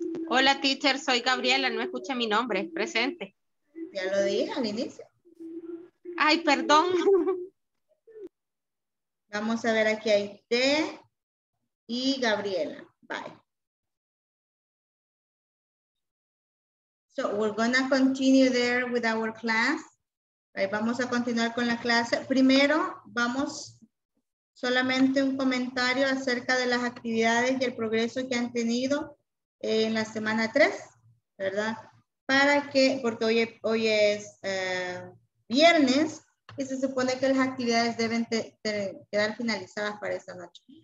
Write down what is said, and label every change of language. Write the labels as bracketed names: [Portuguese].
[Spanish] Hola, teacher, soy Gabriela, no escuché mi nombre, presente. Ya lo dije al inicio. Ay, perdón. Vamos a ver, aquí hay T y Gabriela. [English] Bye. So, we're gonna continue there with our class. [Spanish] Right, vamos a continuar con la clase. Primero, vamos solamente un comentario acerca de las actividades y el progreso que han tenido en la semana 3, ¿verdad? Para que, porque hoy es viernes y se supone que las actividades deben quedar finalizadas para esta noche.